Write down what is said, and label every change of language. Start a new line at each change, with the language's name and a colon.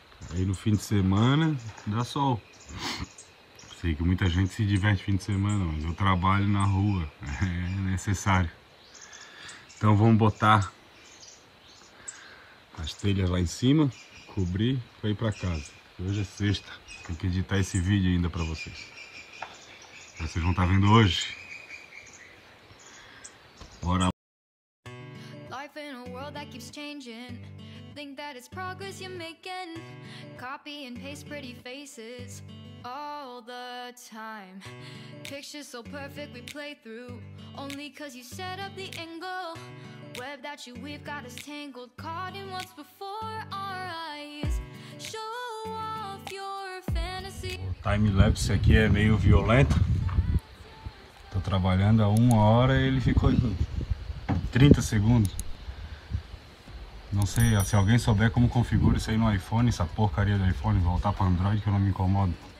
Portuguese: Aí no fim de semana dá sol. Sei que muita gente se diverte fim de semana, mas eu trabalho na rua, é necessário. Então vamos botar as telhas lá em cima. Cobri para ir para casa. Hoje é sexta. Tem que editar esse vídeo ainda para vocês. Vocês vão estar vendo hoje. Bora.
English: Life in a world that keeps changing. Think that it's progress you're making. Copy and paste pretty faces all the time. Pictures so perfect we play through. Only cause you set up the angle. Web that you weave got us tangled. Caught in what's before our eyes. Show off your fantasy.
Portuguese: O time lapse aqui é meio violento. Tô trabalhando há uma hora e ele ficou em 30 segundos. Não sei, se alguém souber como configura isso aí no iPhone, essa porcaria do iPhone, voltar para Android que eu não me incomodo.